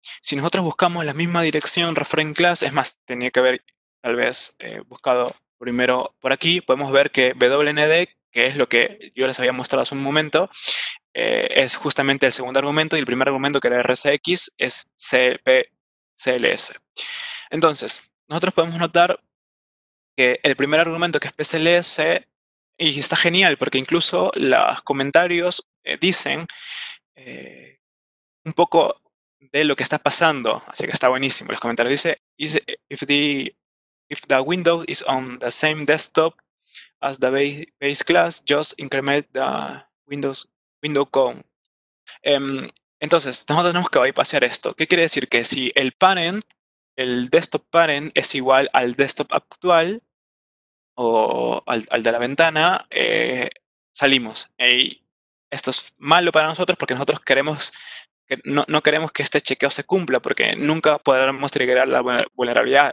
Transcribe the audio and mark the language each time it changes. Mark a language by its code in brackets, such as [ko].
[es] Si nosotros buscamos la misma dirección, refrain class, es más, tenía que haber tal vez buscado primero por aquí, podemos ver que WND, que es lo que yo les había mostrado hace un momento, es justamente el segundo argumento, y el primer argumento, que era RSX, es CLS. Entonces, nosotros podemos notar que el primer argumento, que es PCLS, y está genial, porque incluso los comentarios dicen un poco de lo que está pasando, así que está buenísimo. Los comentarios dicen, [en] if the window is on the same desktop as the base class, just increment the window count. [es] Entonces, nosotros tenemos que bypassear esto. ¿Qué quiere decir? Que si el desktop parent es igual al desktop actual, o al de la ventana, salimos. Y esto es malo para nosotros porque nosotros no queremos que este chequeo se cumpla, porque nunca podremos triggerar la vulnerabilidad.